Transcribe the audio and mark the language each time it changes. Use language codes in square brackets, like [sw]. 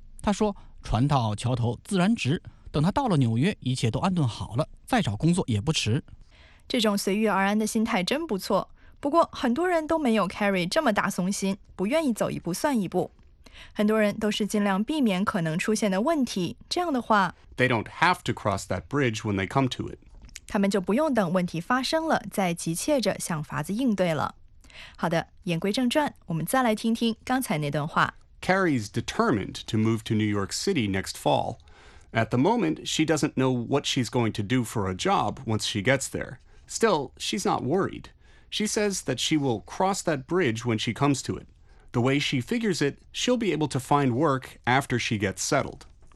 [zh] 她说船到桥头自然直。等他到了纽约，一切都安顿好了，再找工作也不迟。这种随遇而安的心态真不错。不过很多人都没有 Carrie 这么大松心，不愿意走一步算一步。很多人都是尽量避免可能出现的问题。这样的话 [en] ，They don't have to cross that bridge when they come to it。 [zh] 他们就不用等问题发生了，再急切着想法子应对了。好的，言归正传，我们再来听听刚才那段话。 [en] Carrie's determined to move to New York City next fall. At the moment, she doesn't know what she's going to do for a job once she gets there. Still, she's not worried. She says that she will cross that bridge when she comes to it. The way she figures it, she'll be able to find work after she gets settled.